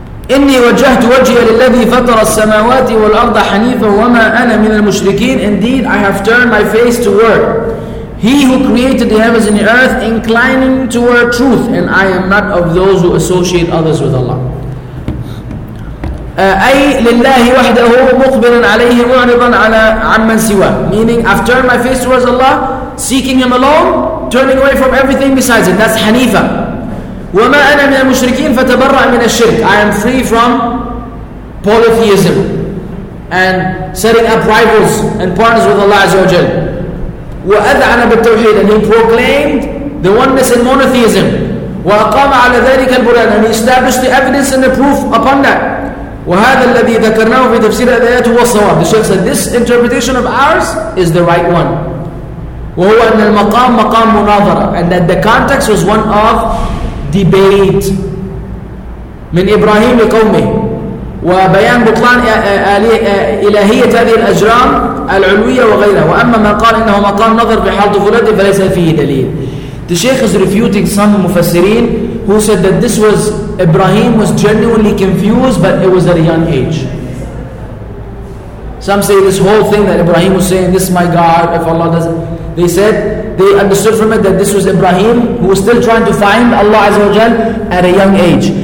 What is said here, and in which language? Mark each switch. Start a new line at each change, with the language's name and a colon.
Arabic: إني وجهت وجهي للذي فطر السماوات والأرض حنيفا وما أنا من المشركين.
English: Indeed, I have turned my face toward He who created the heavens and the earth, inclining toward truth, and I am not of those who associate others with Allah.
Arabic: أي لله وحده مقبلا عليه معرضا على عمن سواه.
English: Meaning, I've turned my face towards Allah, seeking Him alone, turning away from everything besides Him. That's Hanifa.
Arabic: وما أنا من المشركين فتبرأ من الشرك.
English: I am free from polytheism and setting up rivals and partners with Allah Azza wa Jal.
Arabic: وأذعن بالتوحيد.
English: And He proclaimed the oneness in monotheism.
Arabic: وأقام على ذلك البرهان.
English: And He established the evidence and the proof upon that.
Arabic: وهذا الذي ذكرناه في تفسير الآيات هو الصواب.
English: The Shaykh said, this interpretation of ours is the right one.
Arabic: وهو أن المقام مقام مناظرة.
English: And that the context was one of debate.
Arabic: من إبراهيم لقومه وبيان بطلان إلهية هذه الأجرام العلوية وغيرها. وأما من قال إنه مقام نظر بحال طفولته فليس فيه دليل.
English: The Shaykh is refuting some مفسرين who said that this was Ibrahim was genuinely confused, but it was at a young age. Some say this whole thing that Ibrahim was saying, this is my God, if Allah doesn't... They said, they understood from it that this was Ibrahim, who was still trying to find Allah Azza wa Jal at a young age.